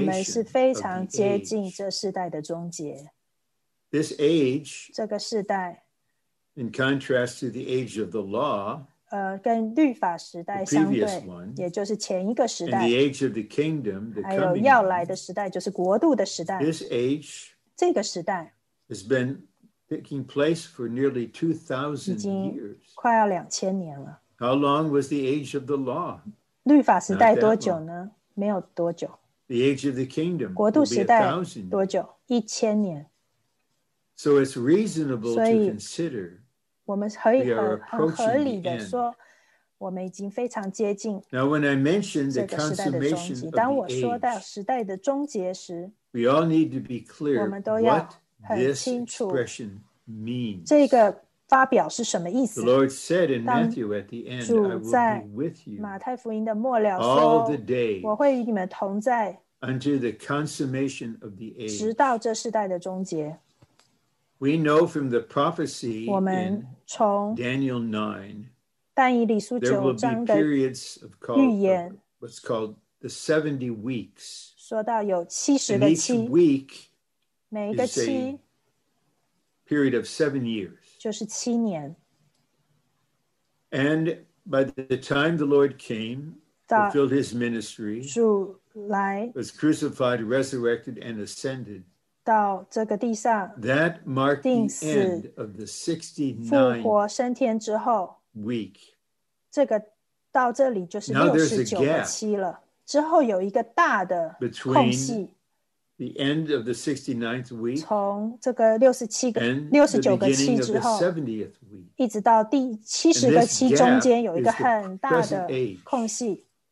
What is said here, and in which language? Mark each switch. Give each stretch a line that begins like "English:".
Chinese: 们是非常接近这世代的终结。
English: This age,
Chinese: 这个世代
English: ，in contrast to the age of the law,
Chinese: 跟律法时代相对，
English: one,
Chinese: 也就是前一个时代
English: ，and the age of the kingdom, the coming,
Chinese: 还有要来的时代，就是国度的时代。
English: This age,
Chinese: 这个时代
English: ，has been taking place for nearly 2,000 years,
Chinese: 已经快要2000年了。
English: How long was the age of the law?
Chinese: 律法时代多久呢？没有多久。
English: The age of the kingdom,
Chinese: 国度时代多久？一千年。
English: So it's reasonable to consider.
Chinese: 我们可以 很合理的说，我们已经非常接近这个时代的终结。
English: Now when I mentioned the consummation of the age,
Chinese: 当我说到时代的终结时，
English: we all need to be clear what this expression means.
Chinese: 这个发表是什么意思？
English: The Lord said in Matthew at the end, "I will be with you."
Chinese: 马太福音的末了说，
English: all the days,
Chinese: 我会与你们同在，
English: until the consummation of the age,
Chinese: 直到这世代的终结。
English: We know from the prophecy in Daniel 9, there will be periods of what's called the 70 weeks.
Chinese: 说到有七十个期，
English: and each week
Chinese: 每一个期
English: is a period of 7 years.
Chinese: 就是七年。
English: And by the time the Lord came, fulfilled his ministry,
Chinese: 主来
English: was crucified, resurrected, and ascended,
Chinese: 到这个地上
English: that marked the end of the 69th week.
Chinese: 这个到这里就是69个期了，之后有一个大的空隙。
English: The end of the 69th week,
Chinese: 从这个69个期之后，一直到第70个期中间有一个很大的空隙。